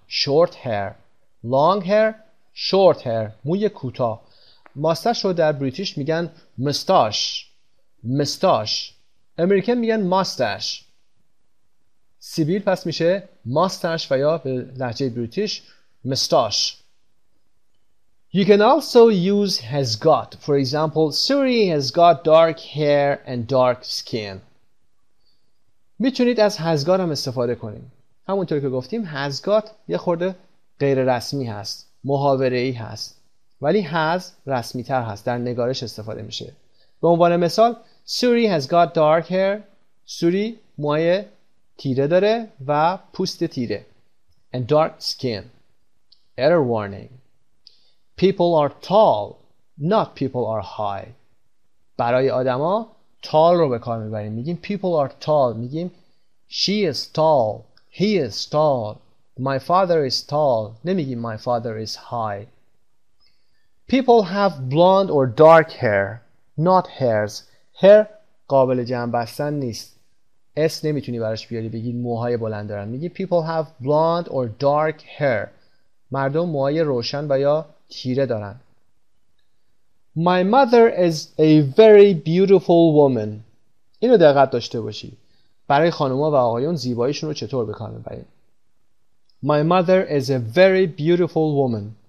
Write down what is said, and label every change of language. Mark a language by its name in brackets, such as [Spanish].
[English] Short hair. Long hair, short hair. [Persian] موی کوتاه. Mustache رو در بریتیش میگن mustache. Mustache. امریکن میگن mustache. سیبیل پس میشه mustache و یا به لهجه بریتیش mustache. [English] You can also use has got. For example, Suri has got dark hair and dark skin. [Persian] میتونید از has got هم استفاده کنیم. همونطور که گفتیم has got یه خورده غیر رسمی هست. محاوره ای هست. ولی has رسمی تر هست. در نگارش استفاده میشه. به عنوان مثال [English] Suri has got dark hair. [Persian] Suri موهای تیره داره و پوست تیره. [English] And dark skin. Error warning. People are tall. Not people are high. [Persian] برای آدم ها tall رو به کار میبریم. میگیم [English] people are tall. میگیم she is tall. He is tall. My father is tall. [Persian] نمیگیم [English] my father is high. People have blonde or dark hair, not hairs. [Persian] Hair قابل جمع بستن نیست. اس نمیتونی براش بیاری بگی موهای بلند دارن. میگی [English] people have blonde or dark hair. [Persian] مردم موهای روشن و یا تیره دارن. [English] My mother is a very beautiful woman. [Persian] اینو دقت داشته باشی. برای خانوما و آقایون زیباییشون رو چطور به کار میبری؟ [English] My mother is a very beautiful woman.